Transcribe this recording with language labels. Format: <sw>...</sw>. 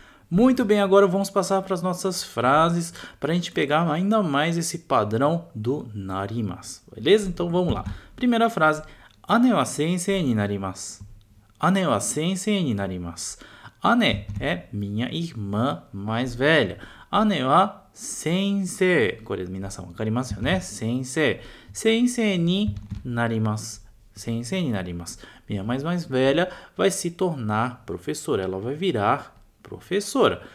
<pt>Muito bem, agora vamos passar para as nossas frases para a gente pegar ainda mais esse padrão do narimasu. Beleza? Então vamos lá. Primeira frase.</pt> <ja>Ane wa sensei ni narimasu. Ane wa sensei ni narimasu.</ja> <pt>Ane é minha irmã mais velha.</pt> <ja>Ane wa sensei. これ皆さんわかりますよね。sensei. Sensei になります。 Sensei になります。</ja> <pt>Minha mais velha vai se tornar professora. Ela vai virar professora.</pt>